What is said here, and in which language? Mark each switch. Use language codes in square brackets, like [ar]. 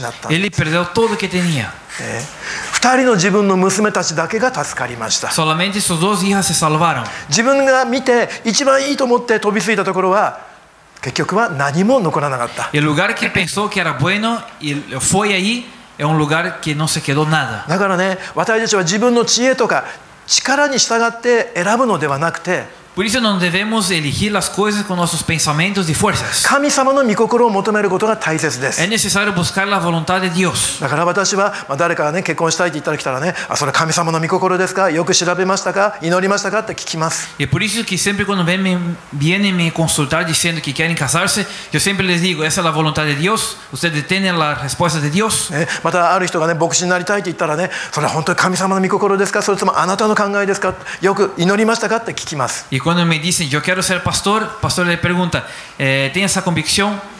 [es] Él perdió todo lo que tenía. [ja] 2人の自分の娘たちだけが助かりました。 [es] Solamente sus dos hijas se salvaron. [ja] 自分が見て一番いいと思って飛びついたところは結局は何も残らなかった。 [es] El lugar que pensó que era bueno y fue ahí es un lugar que no se quedó nada. [ja] だからね、私たちは自分の知恵とか力に従って選ぶのではなくて、 [es] Por eso no debemos elegir las cosas con nuestros pensamientos y fuerzas. [ja] 神様の御心を求めることが大切です。 [es] Es necesario buscar la voluntad de Dios. [ja] だから私は、まあ、誰かがね、結婚したいって言ったら来たらね、あ、それ神様の御心ですか？よく調べましたか？祈りましたか？って聞きます。 [es] Y por eso que siempre cuando vienen me consultar diciendo que quieren casarse, yo siempre les digo, esa es la voluntad de Dios. Ustedes tienen la respuesta de Dios. [ja] またある人がね、牧師になりたいって言ったらね、それ本当に神様の御心ですか？それともあなたの考えですか？よく祈りましたか？って聞きます。 [es] Cuando me dicen, yo quiero ser pastor, el pastor le pregunta, ¿tienes esa convicción?